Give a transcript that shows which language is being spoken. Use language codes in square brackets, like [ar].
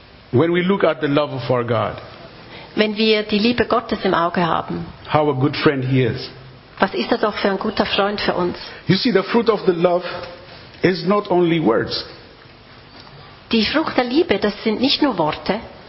[en] When we look at the love of our God. [de] Wenn wir die Liebe Gottes im Auge haben. [en] How a good friend he is. [de] Was ist er doch für ein guter Freund für uns? [en] You see, the fruit of the love is not only words. [de] Die Frucht der Liebe, das sind nicht nur Worte.